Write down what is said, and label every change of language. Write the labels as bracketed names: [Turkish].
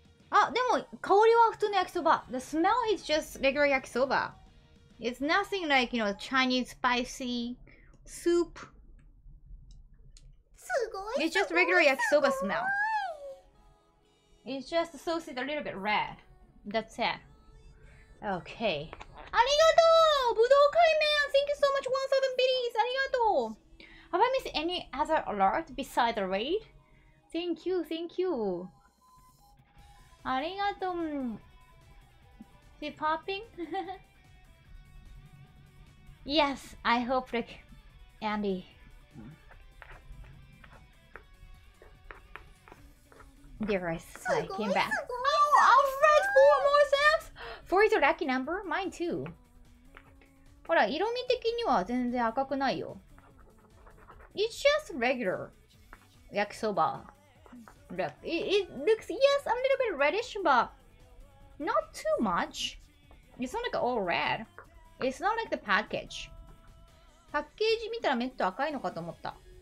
[Japanese] あ、でも香りは普通の焼きそば。 [English] The smell is just regular yakisoba. It's nothing like, you know, Chinese spicy soup. [Japanese] すごい。 [English] It's just regular yakisoba smell. It's just the sauce is a little bit red. That's it. Okay. [Japanese] ありがとう。ぶどう会面。 [English] Thank you so much, 1000 biddies. [Japanese] ありがとう。 [English] Have I missed any other alert besides the raid? Thank you, thank you. [Japanese] ありがとう。 [English] She popping? Yes, I hope like Andy. Dearest, I came back. Oh, Alfred, four more saves! Four is a lucky number? Mine too. [Japanese] ほら、色味的には全然赤くないよ。 [English] It's just regular yakisoba. Look, it looks, yes, a little bit reddish, but not too much. It's not like all red. It's not like the package. [Japanese] パッケージ見たらめっと赤いのかと思った。